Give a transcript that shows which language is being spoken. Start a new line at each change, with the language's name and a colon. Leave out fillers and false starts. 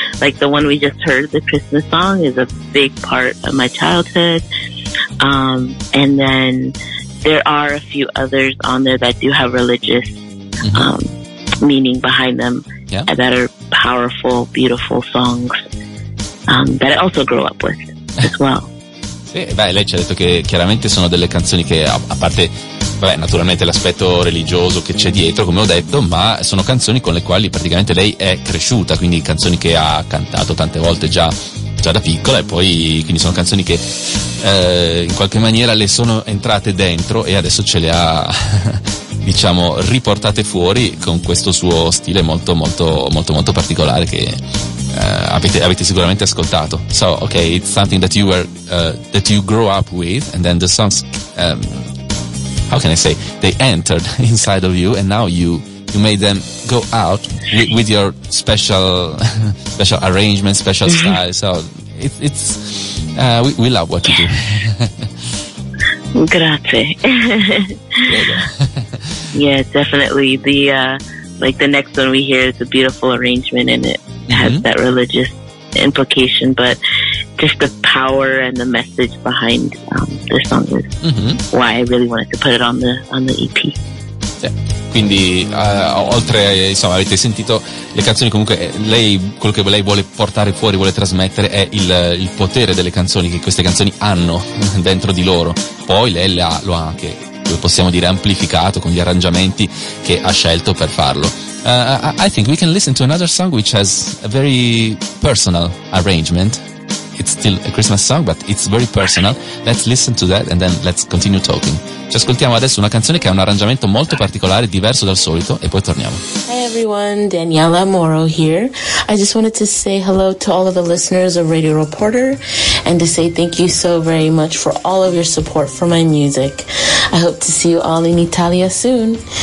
English: Like the one we just heard, the Christmas song, is a big part of my childhood. And then there are a few others on there that do have religious meaning behind them, yeah, that are powerful, beautiful songs that I also grew up with as well.
Italian: Beh, lei ci ha detto che chiaramente sono delle canzoni che, a parte, vabbè, naturalmente l'aspetto religioso che c'è dietro, come ho detto, ma sono canzoni con le quali praticamente lei è cresciuta, quindi canzoni che ha cantato tante volte già da piccola, e poi quindi sono canzoni che in qualche maniera le sono entrate dentro e adesso ce le ha, diciamo, riportate fuori con questo suo stile molto molto molto molto particolare che avete sicuramente ascoltato.
English: So, okay, it's something that you were that you grew up with, and then the songs, how can I say, they entered inside of you, and now you made them go out with your special arrangement, special style. So it's we love what you do.
Italian: Grazie.
English: Yeah, definitely. The like the next one we hear is a beautiful arrangement, and it has that religious implication, but just the power and the message behind the song is why I really wanted to put it on the EP.
Italian: Quindi oltre, insomma, avete sentito le canzoni, comunque lei, quello che lei vuole portare fuori, vuole trasmettere, è il potere delle canzoni, che queste canzoni hanno dentro di loro. Poi lei lo ha anche, possiamo dire, amplificato con gli arrangiamenti che ha scelto per farlo.
English: I think we can listen to another song which has a very personal arrangement. It's still a Christmas song, but it's very personal. Let's listen to that and then let's continue talking.
Italian: Ci ascoltiamo adesso una canzone che ha un arrangiamento molto particolare, diverso dal solito, e poi torniamo.
English: Hi everyone, Daniela Morrow here. I just wanted to say hello to all of the listeners of Radio Reporter and to say thank you so very much for all of your support for my music. I hope to see you all in Italia soon.